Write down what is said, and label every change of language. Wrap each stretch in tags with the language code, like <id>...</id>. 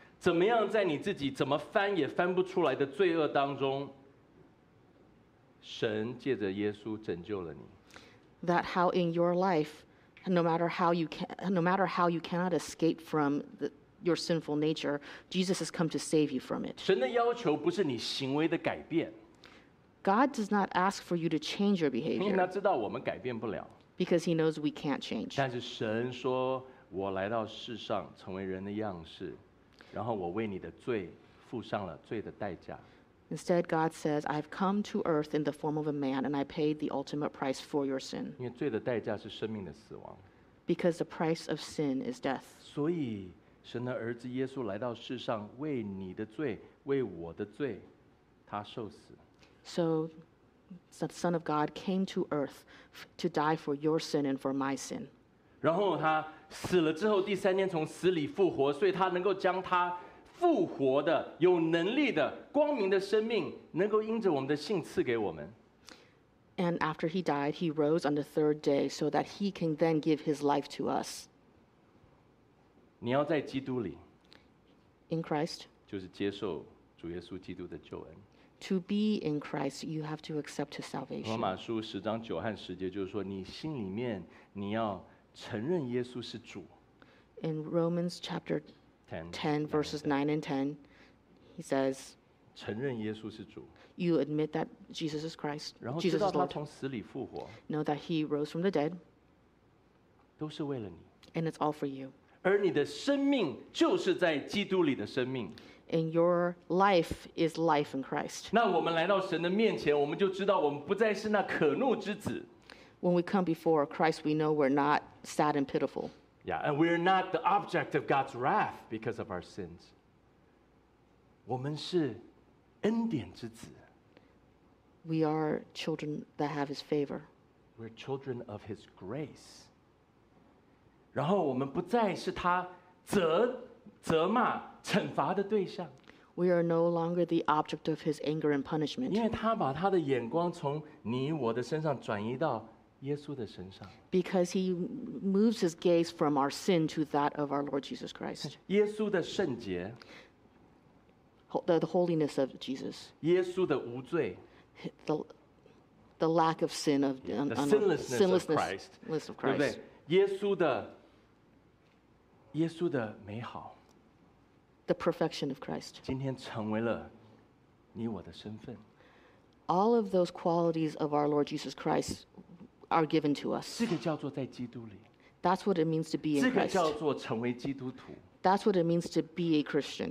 <zh>怎么样在你自己怎么翻也翻不出来的罪恶当中，神借着耶稣拯救了你。</zh> <en>That how in your life, no matter how you cannot escape from your sinful nature, Jesus has come to save you from it.</en> <zh>神的要求不是你行为的改变。</zh> <en>God does not ask for you to change your behavior.</en> <zh>因为他知道我们改变不了。</zh> <en>Because he knows we can't change.</en> <zh>但是神说，我来到世上成为人的样式，然后我为你的罪付上了罪的代价。</zh> <en>Instead, God says, I've come to earth in the form of a man, and I paid the ultimate price for your sin.</en> <zh>因为罪的代价是生命的死亡。</zh> <en>Because the price of sin is death.</en> <zh>所以神的儿子耶稣来到世上，为你的罪，为我的罪，他受死。</zh> <en>So the Son of God came to earth to die for your sin and for my sin.</en> <zh>然后他死了之后第三天从死里复活，所以他能够将他复活的有能力的光明的生命能够因着我们的信赐给我们。</zh> <en>And after he died, he rose on the third day so that he can then give his life to us.</en> <zh>你要在基督里。</zh> <en>In Christ.</en> <zh>就是接受主耶稣基督的救恩。</zh> <en>To be in Christ, you have to accept his salvation.</en> <zh>罗马书十章九和十节就是说，你心里面你要承认耶稣是主。</zh> <en>In Romans chapter 10, verses 9 and 10, he says,</en> <zh>承认耶稣是主。</zh> <en>You admit that Jesus is Christ, Jesus is Lord.</en> <zh>然后知道他从死里复活。</zh> <en>Know that he rose from the dead.</en> <zh>都是为了你。</zh> <en>And it's all for you.</en> <zh>而你的生命就是在基督里的生命。</zh> <en>And your life is life in Christ.</en> <zh>那我们来到神的面前，我们就知道我们不再是那可怒之子。</zh> <en>When we come before Christ, we know we're not sad and pitiful. Yeah, and we're not the object of God's wrath because of our sins.</en> <zh>我们是恩典之子。</zh> <en>We are children that have His favor. We're children of His grace.</en> <zh>然后我们不再是他责骂惩罚的对象。</zh> <en>We are no longer the object of his anger and punishment.</en> <zh>因为他把他的眼光从你我的身上转移到耶稣的身上。</zh> <en>Because he moves his gaze from our sin to that of our Lord Jesus Christ.</en> <zh>耶稣的圣洁。</zh> <en>The holiness of Jesus.</en> <zh>耶稣的无罪。</zh> <en>The lack of sin of sinlessness of Christ.</en> <zh>对不对？耶稣的美好。</zh> <en>The perfection of Christ.</en> <zh>今天成为了你我的身份。</zh> <en>All of those qualities of our Lord Jesus Christ are given to us.</en> <zh>这个叫做在基督里。</zh> <en>That's what it means to be in Christ.</en> <zh>这个叫做成为基督徒。</zh> <en>That's what it means to be a Christian.</en>